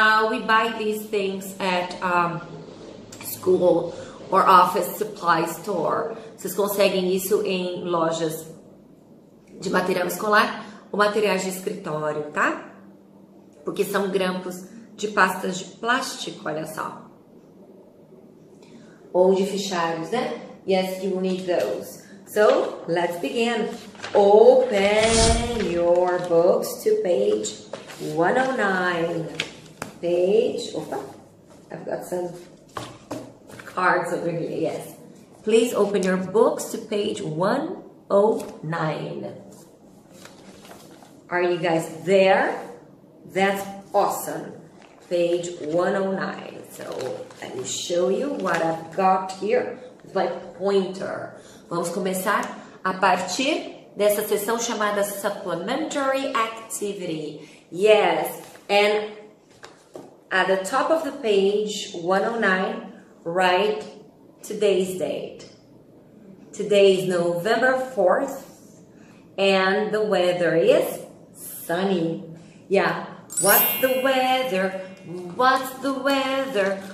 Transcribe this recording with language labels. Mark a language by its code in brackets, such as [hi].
[en] We buy these things at school or office supply store. [pt] Vocês conseguem isso em lojas de material escolar ou materiais de escritório, tá? Porque são grampos de pastas de plástico, olha só. Ou de fichários, né? [en] Yes, you will need those. So, let's begin. Open your books to page 109. Page, opa, I've got some cards over here, yes. Please open your books to page 109. Are you guys there? That's awesome. Page 109. So, let me show you what I've got here with my pointer. [pt] Vamos começar a partir dessa seção chamada Supplementary Activity. [en] Yes, and at the top of the page 109, write today's date. Today is November 4th, and the weather is sunny. Yeah, what's the weather? What's the weather?